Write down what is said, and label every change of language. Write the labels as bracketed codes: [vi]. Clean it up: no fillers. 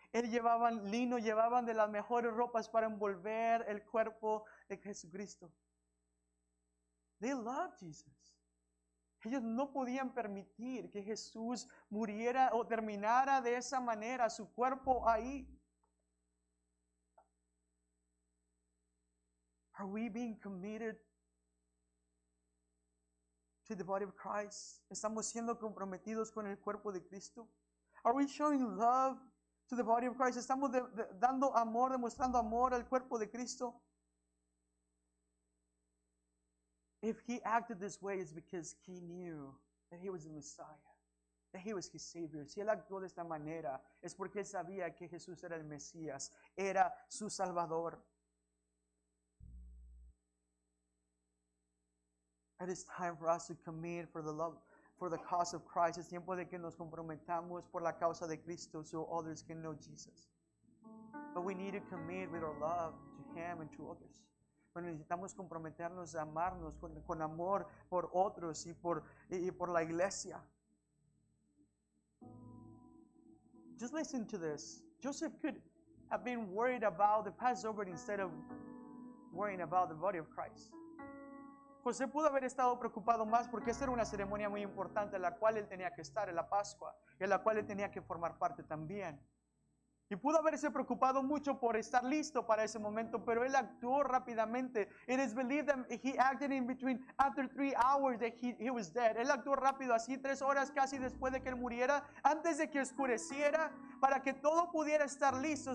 [es] Él llevaba lino, llevaban de las mejores ropas para envolver el cuerpo de Jesucristo. [en] They loved Jesus. [es] Ellos no podían permitir que Jesús muriera o terminara de esa manera su cuerpo ahí. [en] Are we being committed to the body of Christ? [es] ¿Estamos siendo comprometidos con el cuerpo de Cristo? [en] Are we showing love to the body of Christ? [es] ¿Estamos dando amor, demostrando amor al cuerpo de Cristo? [en] If he acted this way, it's because he knew that he was the Messiah, that he was his Savior. [es] Si él actuó de esta manera, es porque él sabía que Jesús era el Mesías, era su Salvador. [en] It is time for us to commit for the love, for the cause of Christ. [es] Es tiempo de que nos comprometamos por la causa de Cristo [en] so others can know Jesus. But we need to commit with our love to him and to others. [es] Pero necesitamos comprometernos a amarnos con amor por otros y por la iglesia. [en] Just listen to this. Joseph could have been worried about the Passover instead of worrying about the body of Christ. [es] José pudo haber estado preocupado más porque esa era una ceremonia muy importante en la cual él tenía que estar, en la Pascua, y en la cual él tenía que formar parte también. Y pudo haberse preocupado mucho por estar listo para ese momento, pero él actuó rápidamente. [en] It is believed that he acted in between, after 3 hours that he was dead. [es] Él actuó rápido, así 3 horas casi después de que él muriera, antes de que oscureciera, para que todo pudiera estar listo.